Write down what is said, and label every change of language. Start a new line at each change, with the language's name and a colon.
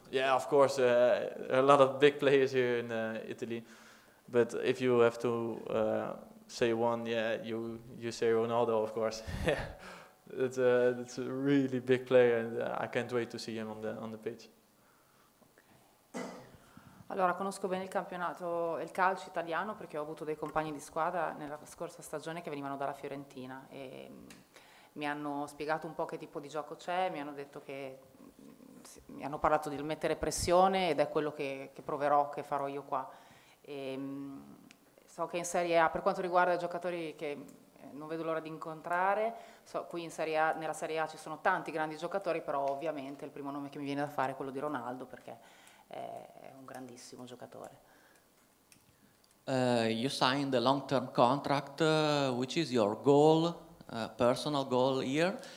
English: Yeah, of course, there are a lot of big players here in Italy, but if you have to say one, yeah, you say Ronaldo, of course. it's a really big player, and I can't wait to see him on the pitch.
Italian: Allora, conosco bene il campionato e il calcio italiano perché ho avuto dei compagni di squadra nella scorsa stagione che venivano dalla Fiorentina e mi hanno spiegato un po' che tipo di gioco c'è, mi hanno detto che mi hanno parlato di mettere pressione ed è quello che proverò, che farò io qua. E, so che in Serie A, per quanto riguarda i giocatori che non vedo l'ora di incontrare, so, qui in Serie A, nella Serie A ci sono tanti grandi giocatori, però ovviamente il primo nome che mi viene da fare è quello di Ronaldo, perché è un grandissimo giocatore.
English: You signed a long-term contract. Which is your goal, personal goal here?